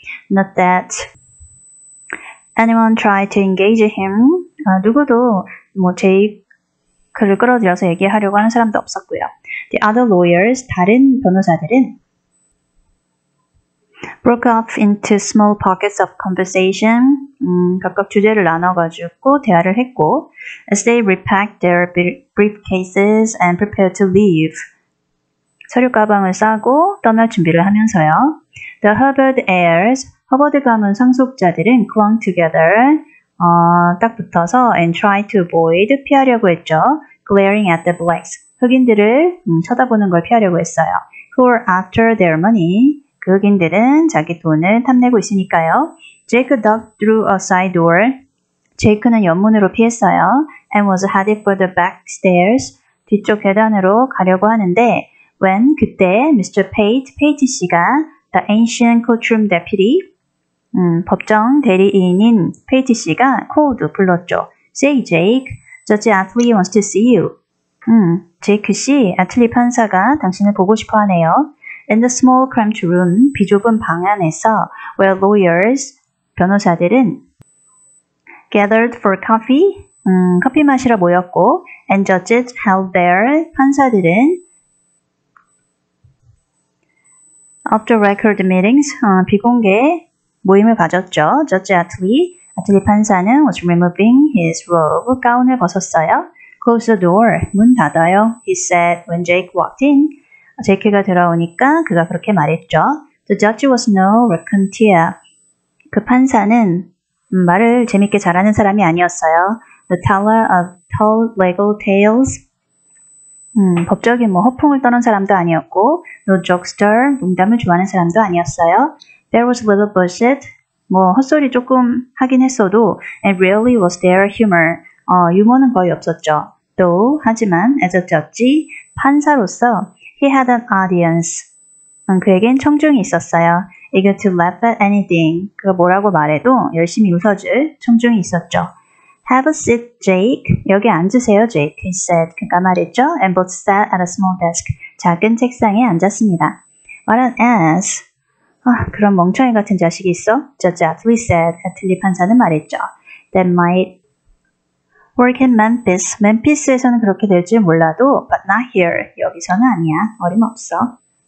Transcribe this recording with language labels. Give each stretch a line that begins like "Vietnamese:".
English: Not that anyone tried to engage him.
Korean: 누구도 뭐 제이크를 끌어들여서 얘기하려고 하는 사람도 없었고요.
English: The other lawyers,
Korean: 다른 변호사들은
English: broke off into small pockets of conversation.
Korean: 각각 주제를 나눠가지고 대화를 했고
English: as they repacked their briefcases and prepared to leave.
Korean: 서류 가방을 싸고 떠날 준비를 하면서요.
English: The Hubbard heirs,
Korean: 허버드 가문 상속자들은
English: clung together,
Korean: 딱 붙어서
English: and tried to avoid,
Korean: 피하려고 했죠.
English: Glaring at the blacks,
Korean: 흑인들을 쳐다보는 걸 피하려고 했어요.
English: Who were after their money,
Korean: 그 흑인들은 자기 돈을 탐내고 있으니까요.
English: Jake ducked through a side door,
Korean: 제이크는 연문으로 피했어요.
English: And was headed for the back stairs,
Korean: 뒤쪽 계단으로 가려고 하는데
English: When,
Korean: 그때,
English: Mr. Pate, Pate 씨가, the ancient courtroom deputy,
Korean: 법정 대리인인 Pate 씨가
English: called,
Korean: 불렀죠.
English: Say, Jake, Judge Attlee wants to see you.
Korean: Jake 씨, Attlee 판사가 당신을 보고 싶어 하네요.
English: In the small cramped room,
Korean: 비좁은 방 안에서,
English: where lawyers, 변호사들은, gathered for coffee,
Korean: 커피 마시러 모였고,
English: and judges held there, 판사들은, Off the record meetings,
Korean: 비공개 모임을 가졌죠.
English: Judge Attlee 판사는 was removing his robe,
Korean: 가운을 벗었어요.
English: Close the door,
Korean: 문 닫아요.
English: He said when Jake walked in,
Korean: 제이크가 들어오니까 그가 그렇게 말했죠.
English: The judge was no raconteur.
Korean: 그 판사는 말을 재밌게 잘하는 사람이 아니었어요.
English: The teller of tall legal tales.
Korean: 법적인 뭐 허풍을 떠는 사람도 아니었고
English: no jokester,
Korean: 농담을 좋아하는 사람도 아니었어요.
English: There was little bullshit,
Korean: 뭐 헛소리 조금 하긴 했어도
English: and rarely was there humor,
Korean: 유머는 거의 없었죠.
English: Though,
Korean: 하지만
English: as a judge,
Korean: 판사로서
English: he had an audience,
Korean: 그에겐 청중이 있었어요.
English: Eager to laugh at anything,
Korean: 그가 뭐라고 말해도 열심히 웃어줄 청중이 있었죠.
English: Have a seat, Jake.
Korean: 여기 앉으세요, Jake.
English: He said.
Korean: 그가 말했죠.
English: And both sat at a small desk.
Korean: 작은 책상에 앉았습니다.
English: What an ass.
Korean: 그런 멍청이 같은 자식이 있어?
English: Judge Attlee said.
Korean: Attlee 판사는 말했죠.
English: That might Work in Memphis.
Korean: Memphis에서는 그렇게 될지 몰라도,
English: but not here.
Korean: 여기서는 아니야. 어림없어.